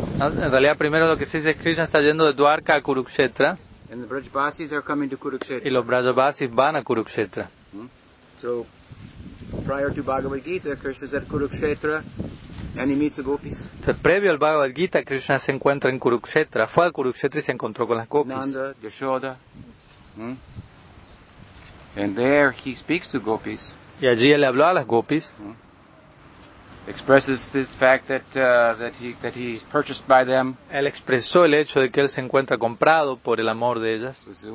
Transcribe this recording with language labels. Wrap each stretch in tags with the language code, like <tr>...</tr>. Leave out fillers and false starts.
<es>No, en realidad primero lo que se dice es Krishna está yendo de Dwarka a Kurukshetra.</es> <en>And the Brajabasis are coming to Kurukshetra.</en> <es>Y los Brajabasis van a Kurukshetra.</es> <en>So prior to Bhagavad Gita, Krishna is at Kurukshetra and he meets the gopis.</en> <es>Entonces, previo al Bhagavad Gita, Krishna se encuentra en Kurukshetra. Fue a Kurukshetra y se encontró con las gopis. Nanda, Yashoda.</es> <en>And there he speaks to gopis.</en> <es>Y allí él habló a las gopis.</es> <en>Expresses this fact that he is purchased by them.</en> <es>Él expresó el hecho de que él se encuentra comprado por el amor de ellas.</es>